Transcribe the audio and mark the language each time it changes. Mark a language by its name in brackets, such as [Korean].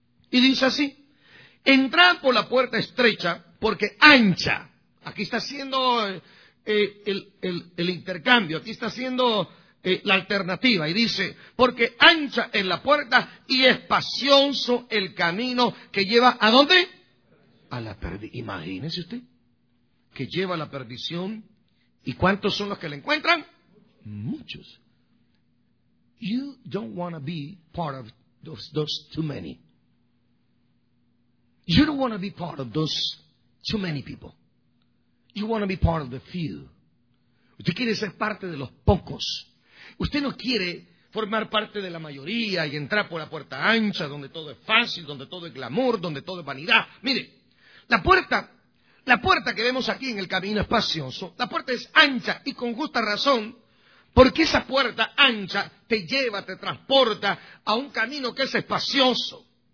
[Spanish] Y dice así, entrad por la puerta estrecha, porque ancha, aquí está haciendo el intercambio, aquí está haciendo la alternativa, y dice, porque ancha es la puerta y espacioso el camino que lleva, ¿a dónde? A la perdición. Imagínese usted, que lleva a la perdición, ¿y cuántos son los que la encuentran? Muchos. [English] You don't want to be part of those too many. You don't want to be part of those too many people. You want to be part of the few. [Spanish] Usted quiere ser parte de los pocos. Usted no quiere formar parte de la mayoría y entrar por la puerta ancha, donde todo es fácil, donde todo es glamour, donde todo es vanidad. Mire, la puerta, La puerta que vemos aquí en el camino espacioso, la puerta es ancha y con justa razón, porque esa puerta ancha te lleva, te transporta a un camino que es espacioso.